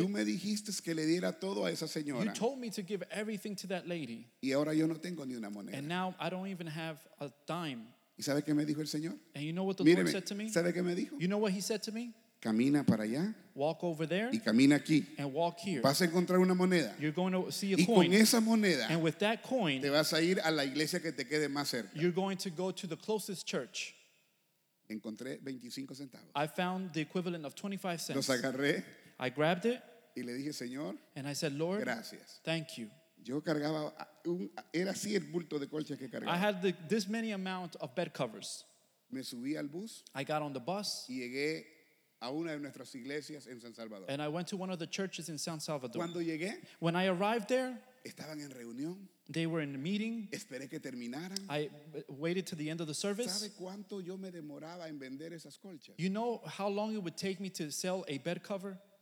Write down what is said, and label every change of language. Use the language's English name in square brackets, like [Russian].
[Spanish] tú me dijiste que le diera todo a esa señora. [English] You told me to give everything to that lady. [Spanish] Y ahora yo no tengo ni una moneda. [English] And now I don't even have a dime. [Spanish] ¿Y sabe qué me dijo el Señor? [English] And you know what the Lord said to me? [Spanish] ¿Sabe qué me dijo? [English] You know what he said to me? [Spanish] Camina para allá. [English] Walk over there. [Spanish] Y camina aquí. [English] And walk here. [Spanish] Vas a encontrar una moneda. [English] You're going to see a [Spanish] y [English] coin. [Spanish] Y con esa moneda. [English] And with that coin. [Spanish] Te vas a ir a la iglesia que te quede más cerca. [English] You're going to go to the closest church. [Spanish] Encontré 25 centavos. [English] I found the equivalent of 25 cents. [Spanish] Los agarré. [English] I grabbed it. [Spanish] Y le dije, Señor. [English] And I said, Lord. [Spanish] Gracias. [English] Thank you. [Spanish] Yo cargaba era así el bulto de colchas que cargaba. [English] I had this many amount of bed covers. [Spanish] Me subí al bus. [English] I got on the bus. [Spanish] Y llegué a una de nuestras iglesias en San Salvador. [English] And I went to one of the churches in San Salvador. [Spanish] Cuando llegué, [English] when I arrived there, [Spanish] estaban en reunión. [English] They were in a meeting. [Spanish] Esperé que terminaran. [English] I waited to the end of the service. [Spanish] ¿Sabe cuánto yo me demoraba en vender esas colchas? [English] You know how long it would take me to sell a bed cover?